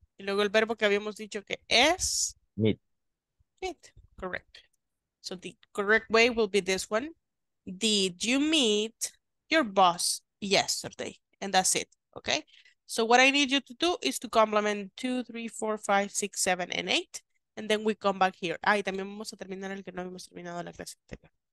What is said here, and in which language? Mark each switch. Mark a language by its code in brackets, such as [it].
[es] Y luego el verbo que habíamos dicho que es. [en] Meet. Meet. Correct. So the correct way will be this one. Did you meet your boss yesterday? And that's it. Okay. So what I need you to do is to complement 2, 3, 4, 5, 6, 7, and 8. And then we come back here. [es] Ah, y también vamos a terminar el que no hemos terminado la clase anterior.